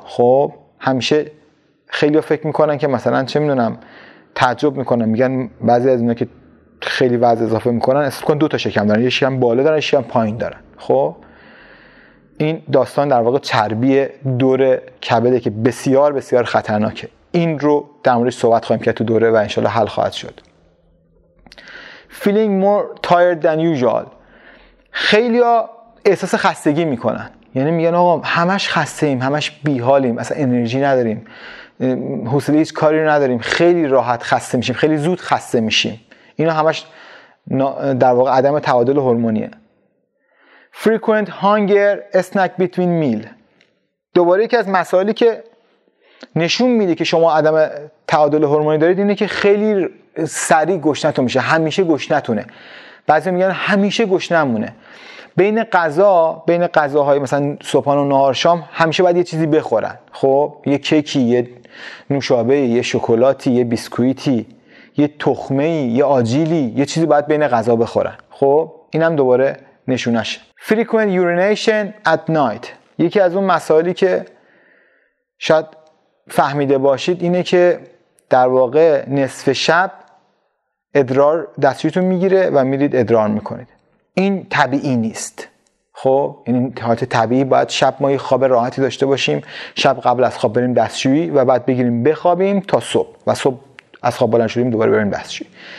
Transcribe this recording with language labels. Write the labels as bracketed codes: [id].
[fa] خب همیشه خیلی ها فکر میکنن که مثلا چه میدونم، تعجب میکنن، میگن بعضی از اینا که خیلی وزن اضافه میکنن اصلا دو تا شکم دارن، یه شکم بالا دارن، یه شکم پایین دارن. خب این داستان در واقع چربی دور کبده که بسیار بسیار خطرناکه. این رو در موردش صحبت خواهیم کرد تو دوره و انشالله حل خواهد شد. [en] Feeling more tired than usual. [fa] خیلی ها احساس خستگی میکنن، یعنی میگن آقا همش خسته ایم، همش بیحالیم، اصلا انرژی نداریم، حوصله هیچ کاری رو نداریم، خیلی راحت خسته میشیم، خیلی زود خسته میشیم. اینا همش در واقع عدم تعادل هورمونیه. [en] Frequent hunger, snack between meal. [fa] دوباره یکی از مسائلی که نشون میده که شما عدم تعادل هورمونی دارید اینه که خیلی سریع گشنتون میشه، همیشه گشنتونه. بعضی میگن همیشه گشنمونه. بین غذا، بین غذاهای مثلا صبحانه و نهار شام همیشه باید یه چیزی بخورن. خب یه کیکی، یه نوشابه، یه شکلاتی، یه بیسکویتی، یه تخمه‌ای، یه آجیلی، یه چیزی باید بین غذا بخورن. خب اینم دوباره نشونش. [en] Frequent urination at night. [fa] یکی از اون مسائلی که شاید فهمیده باشید اینه که در واقع نصف شب ادرار دستشویتون میگیره و میرید ادرار میکنید. این طبیعی نیست. خب این حالت طبیعی، باید شب ما یه خواب راحتی داشته باشیم، شب قبل از خواب بریم دستشویی و بعد بگیریم بخوابیم تا صبح و صبح از خواب بلند شدیم دوباره بریم دستشویی.